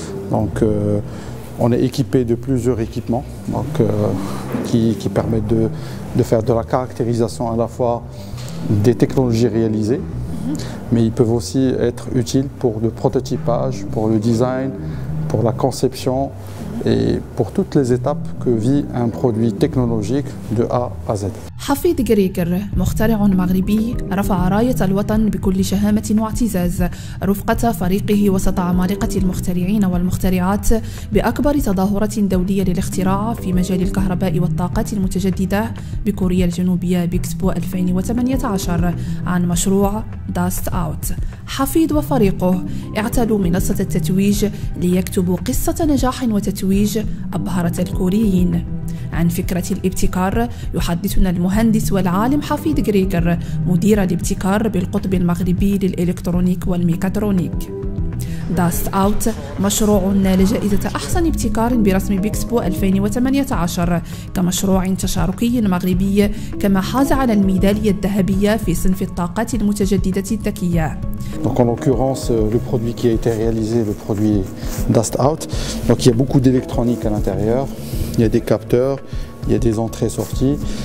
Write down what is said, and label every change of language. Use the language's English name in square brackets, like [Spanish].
[French] Donc on est équipé de plusieurs équipements qui permettent de faire de la caractérisation à la fois des technologies réalisées, mais ils peuvent aussi être utiles pour le prototypage, pour le design, pour la conception et pour toutes les étapes que vit un produit technologique de A à Z. [Arabic] حفيظ جريجر مخترع مغربي رفع راية الوطن بكل شهامة واعتزاز رفقة فريقه وسط عمالقة المخترعين والمخترعات بأكبر تظاهرة دولية للاختراع في مجال الكهرباء والطاقات المتجددة بكوريا الجنوبية بإكسبو 2018 عن مشروع داست أوت. حفيظ وفريقه اعتلوا منصة التتويج ليكتبوا قصة نجاح وتتويج أبهرت الكوريين. عن فكرة الابتكار يحدثنا المهندس والعالم حفيظ جريجر مدير الابتكار بالقطب المغربي للإلكترونيك والميكاترونيك. داست أوت مشروع نال جائزة أحسن ابتكار برسم بيكسبو 2018 كمشروع تشاركي مغربي، كما حاز على الميدالية الذهبية في صنف الطاقات المتجددة الذكية. [French] Donc en l'occurrence, le produit qui a été réalisé, le produit Dust Out, donc il y a beaucoup d'électronique à l'intérieur, il y a des capteurs, il y a des entrées-sorties.